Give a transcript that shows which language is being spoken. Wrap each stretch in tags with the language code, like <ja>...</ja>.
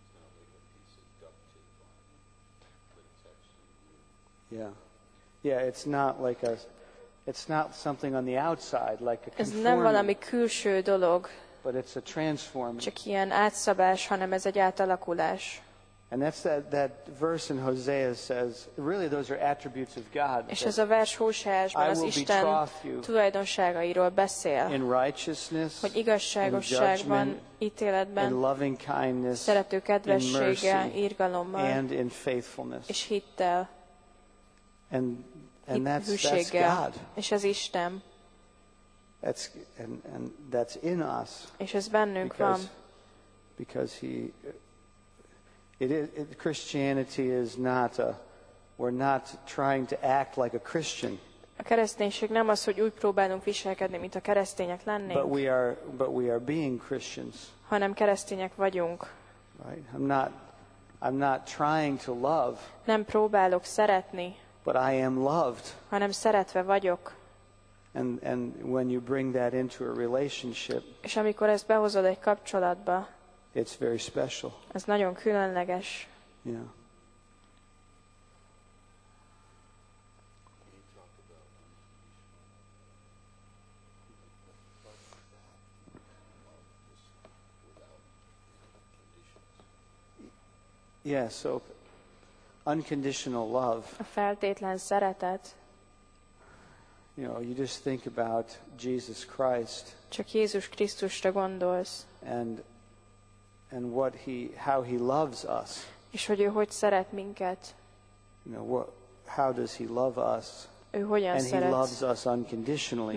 <en>It's not like a piece of duct tape on you, but it's actually you. Yeah. Yeah, it's not like a... It's not something on the outside, like a conforming.</en> <hu>Ez nem valami külső dolog.</hu> <en>But it's a transforming.</en> <hu>Csak ilyen átszabás, hanem ez egy átalakulás.</hu> <en>And that's that verse in Hosea says, really those are attributes of God.</en> <hu>És ez a vers Hóseásban az Isten tulajdonságairól beszél.</hu> <en>In righteousness,</en> <hu>hogy igazságosságban, ítéletben,</hu> <en>in loving kindness,</en> <hu>szerető kedvességgel, irgalommal,</hu> <en>and in faithfulness.</en> <hu>És hittel.</hu> <en>And that's God.</en> <hu>És ez Isten.</hu> <en>And that's in us.</en> <hu>És ez bennünk van.</hu> <en>Because he, it Christianity is not a, we're not trying to act like a Christian.</en> <hu>A kereszténység nem az, hogy úgy próbálunk viselkedni, mint a keresztények lennénk.</hu> <en>But we are being Christians.</en> <hu>Hanem keresztények vagyunk.</hu> <en>Right? I'm not trying to love.</en> <hu>Nem próbálok szeretni.</hu> <en>But I am loved.</en> <hu>Hanem szeretve vagyok.</hu> <en>And when you bring that into a relationship,</en> <hu>és amikor ezt behozod egy kapcsolatba,</hu> <en>it's very special.</en> <hu>Ez nagyon különleges.</hu> <en>Yeah. Yeah, so unconditional love.</en> <hu>A feltétlen szeretet.</hu> <en>You know, you just think about Jesus Christ.</en> <hu>Csak Jézus Krisztusra gondolsz.</hu> <en>And what he, how he loves us. És hogy ő hogy szeret minket. You know, how does he love us?</en> <hu>Ő hogyan</hu> <en>and</en> <hu>szeret.</hu> <en>And he loves us unconditionally.</en>